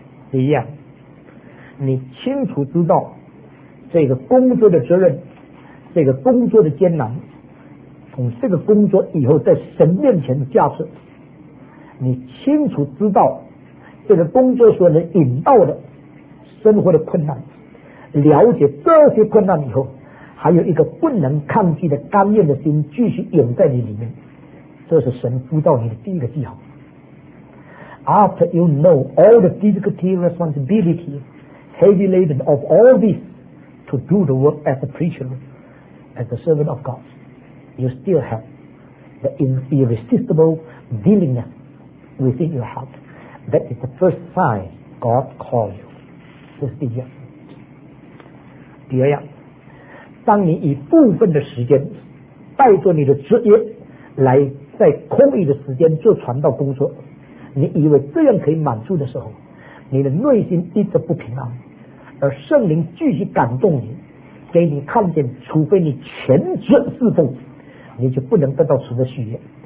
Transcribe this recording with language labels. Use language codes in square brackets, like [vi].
[zh] 第一样，你清楚知道这个工作的责任，这个工作的艰难，从这个工作以后在神面前的价值，你清楚知道这个工作所能引到的生活的困难，了解这些困难以后还有一个不能抗拒的甘愿的心继续涌在你里面，这是神呼召你的第一个记号。 [en] After you know all the difficulty, responsibility, heavy laden of all this to do the work as a preacher, as a servant of God, you still have the irresistible willingness within your heart. That is the first sign God calls you. [zh] 这是第一样。第二样，当你以部分的时间带着你的职业来在空余的时间做传道工作，你以为这样可以满足的时候，你的内心一直不平安，而圣灵继续感动你给你看见，除非你全职侍奉，你就不能得到神的喜悦。